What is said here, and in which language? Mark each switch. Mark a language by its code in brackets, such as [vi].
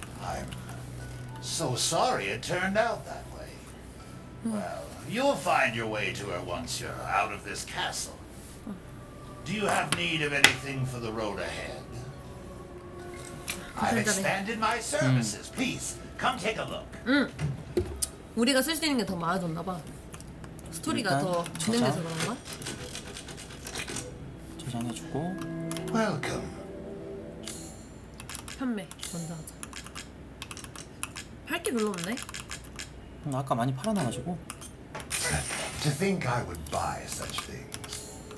[en] I'm so sorry it turned out that way. Well, you'll find your way to her once you're out of this castle. Do you have need of anything for the road ahead? I've expanded my services. Please come take a look. [ko] 우리가 쓸 수 있는 게 더 많아졌나 봐. 스토리가 더 진행돼서 그런가? 저장해주고. [en] Welcome. [ko] 판매 먼저 하자. 팔 게 별로 없네. 응, 아까 많이 팔아놔 가지고. [en] To think I would buy such things.